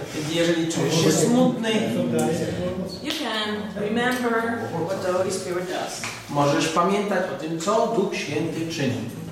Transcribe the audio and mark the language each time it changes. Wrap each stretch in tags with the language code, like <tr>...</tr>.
<pl>jeżeli czujesz się smutny,</pl> <en>you can remember what the Holy Spirit does.</en> <pl>Możesz pamiętać o tym, co Duch Święty czyni.</pl>